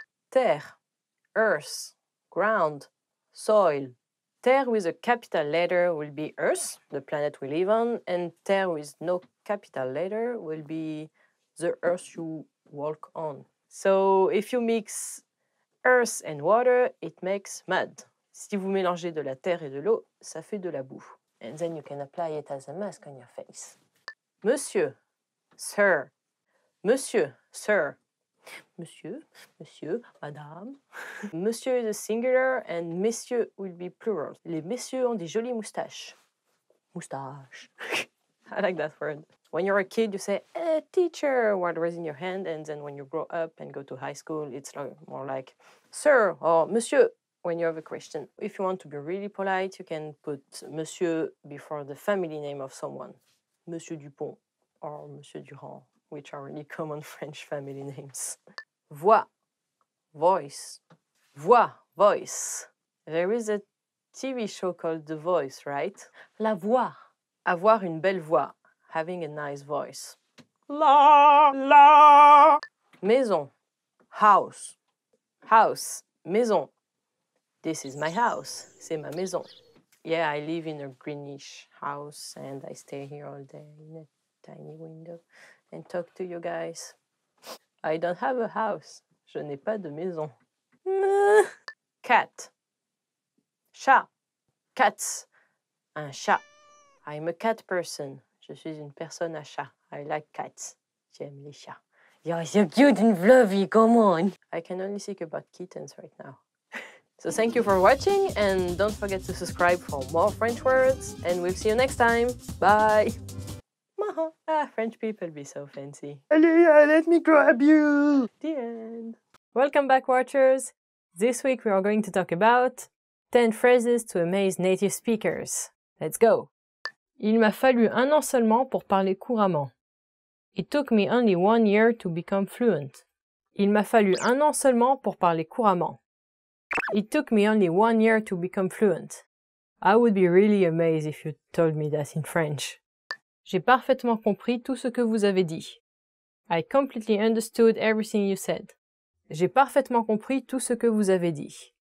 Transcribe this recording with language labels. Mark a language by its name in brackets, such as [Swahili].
[English] Terre, earth, ground, soil. Terre with a capital letter will be earth, the planet we live on, and terre with no capital letter will be the earth you walk on. So if you mix earth and water, it makes mud. [French] Si vous mélangez de la terre et de l'eau, ça fait de la boue. [English] And then you can apply it as a mask on your face. Monsieur, sir. Monsieur, sir. Monsieur, monsieur, madame. Monsieur is a singular and monsieur will be plural. [French] Les messieurs ont des jolies moustaches. Moustache. [English] I like that word. When you're a kid, you say, teacher, while raising your hand. And then when you grow up and go to high school, it's more like, sir or monsieur, when you have a question. If you want to be really polite, you can put monsieur before the family name of someone. Monsieur Dupont or Monsieur Durand, which are really common French family names. Voix, voice. Voix, voice. There is a TV show called The Voice, right? [French] La voix. Avoir une belle voix, [English] having a nice voice. La, la. Maison, house. House, maison. This is my house, [French] c'est ma maison. [English] Yeah, I live in a greenish house and I stay here all day in a tiny window and talk to you guys. I don't have a house, [French] je n'ai pas de maison. [English] Cat, chat, cats, un chat. I'm a cat person. [French] Je suis une personne à chat. [English] I like cats. [French] J'aime les chats. [English] You're so cute and fluffy, come on. I can only think about kittens right now. So thank you for watching and don't forget to subscribe for more French words and we'll see you next time. Bye. Ah, French people be so fancy. Allez, let me grab you. The end. Welcome back, watchers. This week we are going to talk about 10 phrases to amaze native speakers. Let's go. [French] Il m'a fallu un an seulement pour parler couramment. [English] It took me only 1 year to become fluent. [French] Il m'a fallu un an seulement pour parler couramment. [English] It took me only 1 year to become fluent. I would be really amazed if you told me that in French. [French] J'ai parfaitement compris tout ce que vous avez dit. [English] I completely understood everything you said. [French] J'ai parfaitement compris tout ce que vous avez dit.